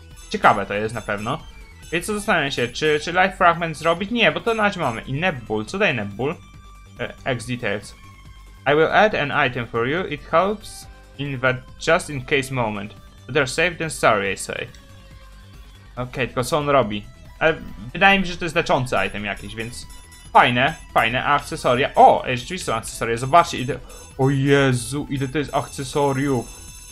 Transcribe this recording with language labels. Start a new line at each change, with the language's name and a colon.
Polish: Ciekawe to jest na pewno. Więc co, zastanawiam się, czy Life Fragment zrobić? Nie, bo to na razie mamy. I Nebul, co daje Nebul? X details.
English: I will add an item for you, it helps in the just in case moment. Better safe than sorry, I say.
Polish: Okej, tylko co on robi? Wydaje mi się, że to jest leczący item jakiś, więc fajne, a akcesoria, o, rzeczywiście są akcesoria, zobaczcie, o Jezu, ile to jest akcesoriów.